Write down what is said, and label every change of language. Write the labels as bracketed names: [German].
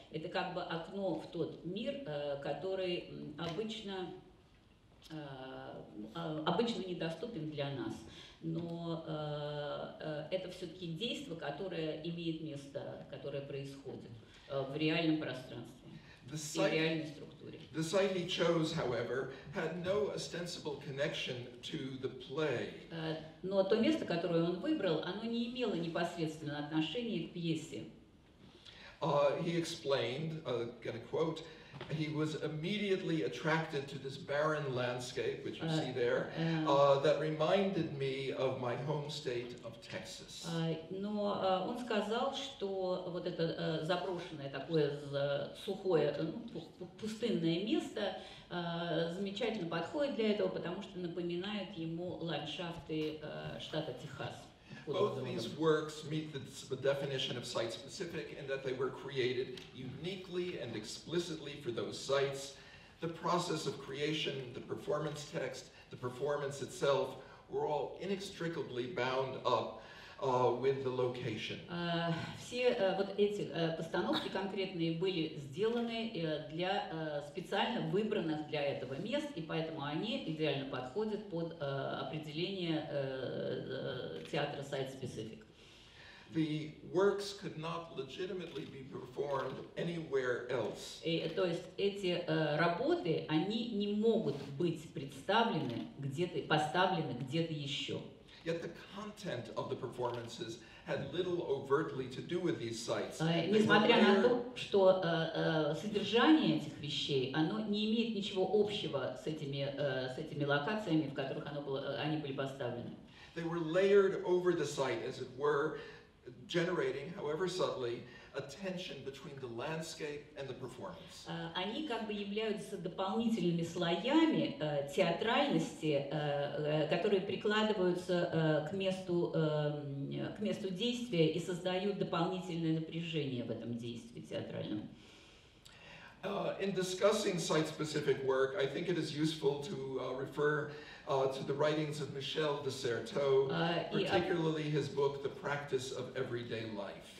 [Russian] Это как бы окно в тот мир, который обычно недоступен для нас. Но это все-таки действо, которое имеет место, которое происходит в реальном пространстве и в реальной структуре. [English] The site he chose, however, had no ostensible connection to the play. [Russian] Но то место, которое он выбрал, оно не имело непосредственного отношения к пьесе. [English] He explained, get a quote, he was immediately attracted to this barren landscape, which you see there, that reminded me of my home state of Texas. [Russian] Но он сказал, что вот это заброшенное такое сухое, пустынное место замечательно подходит для этого, потому что напоминает ему ландшафты штата Техас. [English] Both these works meet the definition of site-specific in that they were created uniquely and explicitly for those sites. The process of creation, the performance text, the performance itself were all inextricably bound up with the location. [Russian] Все вот эти постановки конкретные были сделаны для специально выбранных для этого мест, и поэтому они идеально подходят под определение театра site-specific. [English] The works could not legitimately be performed anywhere else. [Russian] То есть эти работы, они не могут быть представлены где-то, поставлены где-то еще. [English] Yet the content of the performances had little overtly to do with these sites. [Russian] Несмотря на то, что содержание этих вещей, оно не имеет ничего общего с этими локациями, в которых они были поставлены. [English] They were layered over the site, as it were, generating, however subtly, a tension between the landscape and the performance. [Russian] Они как бы являются дополнительными слоями театральности, которые прикладываются к месту действия и создают дополнительное напряжение в этом действии театральном. [English] In discussing site-specific work, I think it is useful to refer to the writings of Michel de Certeau, particularly his book The Practice of Everyday Life.